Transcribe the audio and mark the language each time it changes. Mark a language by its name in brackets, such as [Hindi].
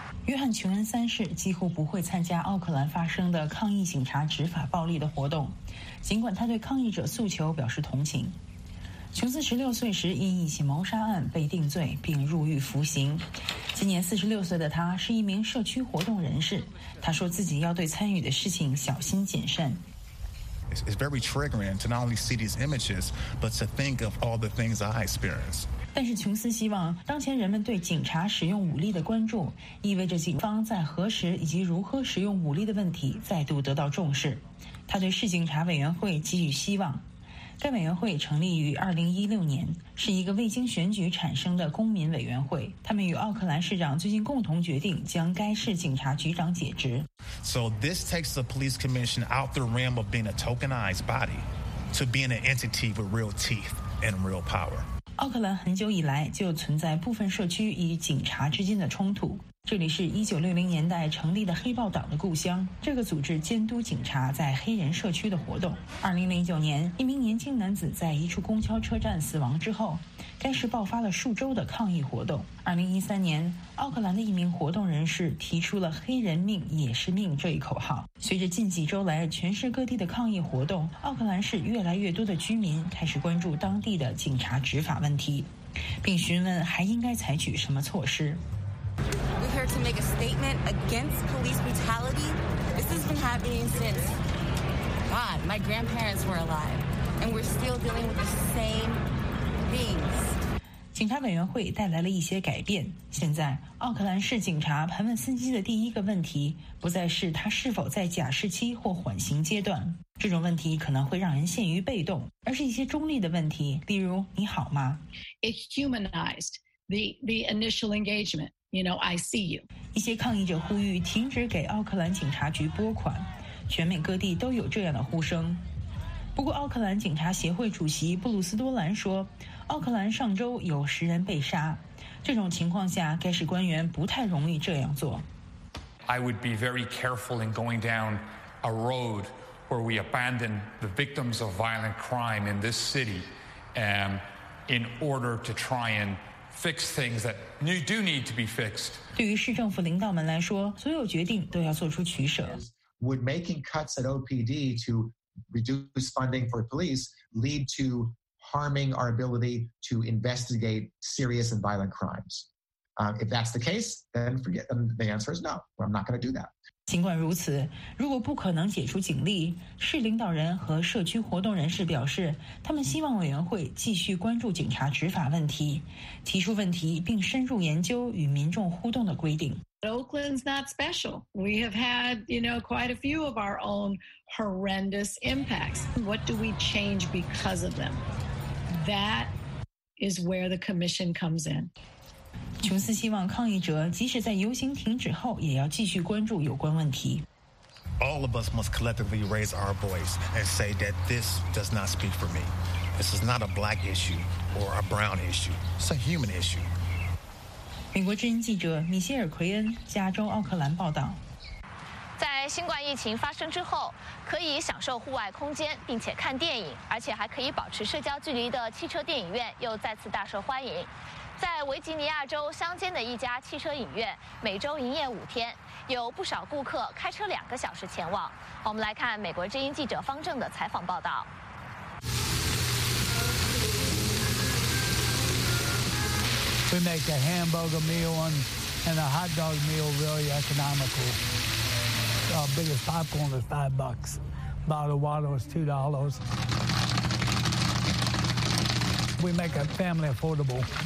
[Chinese] 约翰·琼恩三世几乎不会参加奥克兰发生的抗议警察执法暴力的活动，尽管他对抗议者诉求表示同情。琼斯16岁时因一起谋杀案被定罪并入狱服刑，今年46岁的他是一名社区活动人士，他说自己要对参与的事情小心谨慎。 [English] It's very triggering to not only see these images, but to think of all the things I experienced. [Chinese] 但是琼斯希望当前人们对警察使用武力的关注意味着警方在何时以及如何使用武力的问题再度得到重视，他对市警察委员会给予希望。该委员会成立于2016年，是一个未经选举产生的公民委员会。他们与奥克兰市长最近共同决定将该市警察局长解职。 [English] So this takes the police commission out the realm of being a tokenized body to being an entity with real teeth and real power. [Chinese] 奥克兰很久以来就存在部分社区与警察之间的冲突。这里是1960年代成立的黑豹党的故乡，这个组织监督警察在黑人社区的活动。 2009年，一名年轻男子在一处公交车站死亡之后，该市爆发了数周的抗议活动。 2013年，奥克兰的一名活动人士提出了黑人命也是命这一口号。随着近几周来全市各地的抗议活动，奥克兰市越来越多的居民开始关注当地的警察执法问题，并询问还应该采取什么措施。 [English] We're here to make a statement against police brutality. This has been happening since, God, my grandparents were alive. And we're still dealing with the same things. [Chinese] 警察委员会带来了一些改变。现在，奥克兰市警察盘问司机的第一个问题，不再是他是否在假释期或缓刑阶段。这种问题可能会让人陷于被动，而是一些中立的问题，例如你好吗？ [English] It humanized the initial engagement. You know, I see you. [Chinese] 一些抗议者呼吁停止给奥克兰警察局拨款，全美各地都有这样的呼声。不过，奥克兰警察协会主席布鲁斯·多兰说，奥克兰上周有10人被杀，这种情况下，该市官员不太容易这样做。 [English] I would be very careful in going down a road where we abandon the victims of violent crime in this city, in order to try and. Fix things that do need to be fixed. [Chinese] 对于市政府领导们来说，所有决定都要做出取舍。 [English] Would making cuts at OPD to reduce funding for police lead to harming our ability to investigate serious and violent crimes? If that's the case, then forget. The answer is no. I'm not going to do that. [Chinese] 尽管如此，如果不可能解除警力，市领导人和社区活动人士表示，他们希望委员会继续关注警察执法问题，提出问题并深入研究与民众互动的规定。 [English] Oakland's not special. We have had, you know, quite a few of our own horrendous impacts. What do we change because of them? That is where the commission comes in. [Chinese] 琼斯希望抗议者即使在游行停止后也要继续关注有关问题。 [English] All of us must collectively raise our voice and say that this does not speak for me. This is not a black issue or a brown issue. It's a human issue. [Chinese] 美国之音记者米歇尔·奎恩，加州奥克兰报道。在新冠疫情发生之后，可以享受户外空间，并且看电影，而且还可以保持社交距离的汽车电影院又再次大受欢迎。在维吉尼亚州乡间的一家汽车影院，每周营业五天，有不少顾客开车两个小时前往。我们来看美国之音记者方正的采访报道。 [English] We make the hamburger meal and a hot dog meal really economical. Our biggest popcorn is $5. Bottle of water is $2. We make a family affordable.